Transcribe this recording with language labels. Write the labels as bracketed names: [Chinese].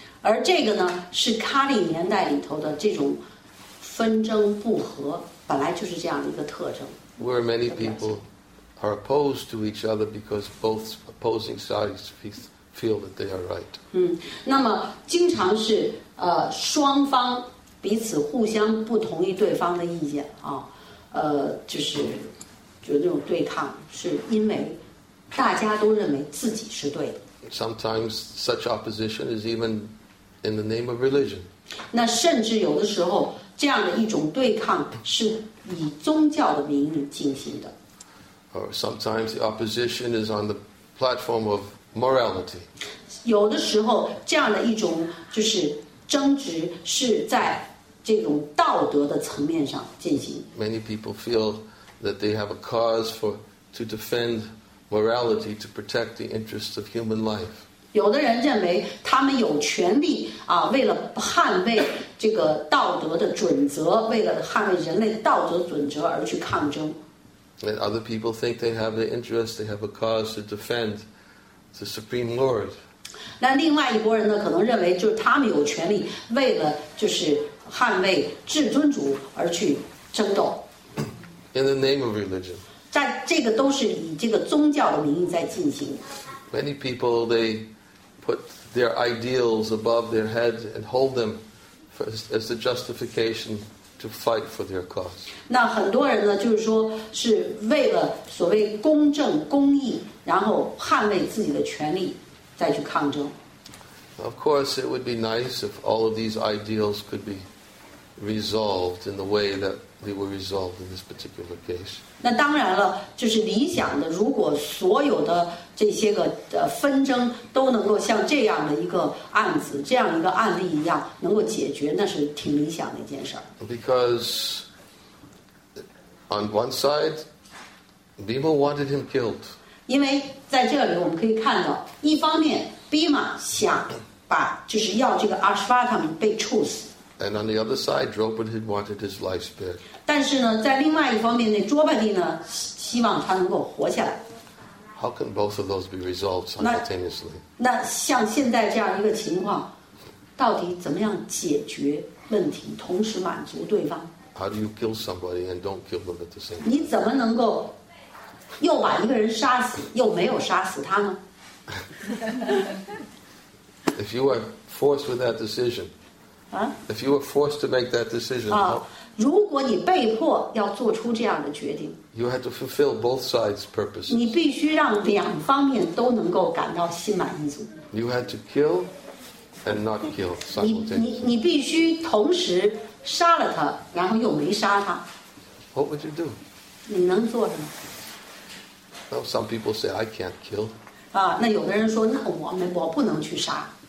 [Chinese] 而这个呢，是卡利年代里头的这种纷争不和，本来就是这样的一个特征。 [English] Where many people are opposed to each other because both opposing sides feel that they are right. [Chinese] 那么经常是双方彼此互相不同意对方的意见就是就那种对抗，是因为。大家都认为自己是对的。 [English] Sometimes such opposition is even in the name of religion. [Chinese] 那甚至有的时候，这样的一种对抗是以宗教的名义进行的。 [English] Or sometimes the opposition is on the platform of morality. [Chinese] 有的时候这样的一种就是争执是在这种道德的层面上进行。 [English] Many people feel that they have a cause for to defend morality to protect the interests of human life. [Chinese] 有的人认为他们有权利啊，为了捍卫这个道德的准则，为了捍卫人类道德准则而去抗争。 [English] And other people think they have the interest, they have a cause to defend the supreme Lord. [Chinese] 那另外一拨人呢，可能认为就是他们有权利为了就是捍卫至尊主而去争斗。 [English] In the name of religion. [Chinese] 在这个都是以这个宗教的名义在进行。 [English] Many people they put their ideals above their head and hold them as the justification. To fight for their cause. [Chinese] 那很多人呢，就是说是为了所谓公正公义，然后捍卫自己的权利，再去抗争。 [English] Of course, it would be nice if all of these ideals could be resolved in the way that they were resolved in this particular case. [Chinese] 那当然了，就是理想的，如果所有的这些个纷争都能够像这样的一个案子，这样一个案例一样能够解决，那是挺理想的一件事儿。 [English] Because on one side, Bhima wanted him killed. [Chinese] 因为在这里我们可以看到，一方面 Bhima 想把就是要这个 Ashvatthama 他们被处死。 [English] And on the other side, Draupadi had wanted his life spared. [Chinese] 但是呢，在另外一方面，那卓巴蒂呢，希望他能够活下来。 [English] How can both of those be resolved simultaneously? [Chinese] 那像现在这样一个情况，到底怎么样解决问题，同时满足对方 [English] ？How do you kill somebody and don't kill them at the same time? [Chinese] 你怎么能够又把一个人杀死，又没有杀死他呢 [English] ？If you are forced with that decision. If you were forced to make that decision, [Chinese] 啊，如果你被迫要做出这样的决定 [English] ，you had to fulfill both sides' purposes. [Chinese] 你必须让两方面都能够感到心满意足。 [English] You had to kill and not kill simultaneously. [Chinese] 你必须同时杀了他，然后又没杀他。 [English] What would you do? [Chinese] 你能做什么 [English] ？Well, some people say I can't kill. [Chinese] 啊，那有的人说，那我不能去杀。